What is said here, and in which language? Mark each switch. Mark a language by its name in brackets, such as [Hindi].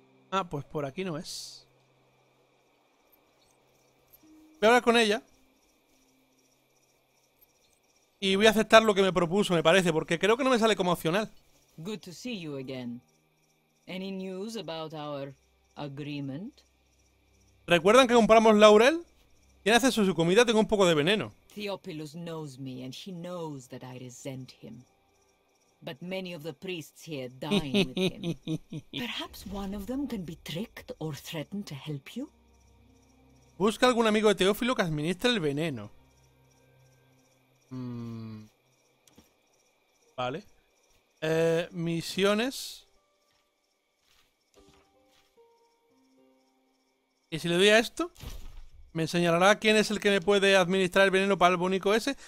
[Spanish] Ah, pues por aquí no es. Voy a hablar con ella. Y voy a aceptar lo que me propuso, me parece, porque creo que no me sale como opcional. [English] Good to see you again. Any news about our agreement? [Spanish] ¿Recuerdan que compramos laurel? ¿Quién hace eso? Su comida, tengo un poco de veneno. [English] Theopilus knows me and he knows that I resent him. But many of the priests here dine with him. Perhaps one of them can be tricked or threatened to help you. [Spanish] Busca algún amigo de Teófilo que administre el veneno. Vale. Misiones. ¿Y si le doy a esto? ¿Me enseñará quién es el que me puede administrar el veneno para el bonico ese?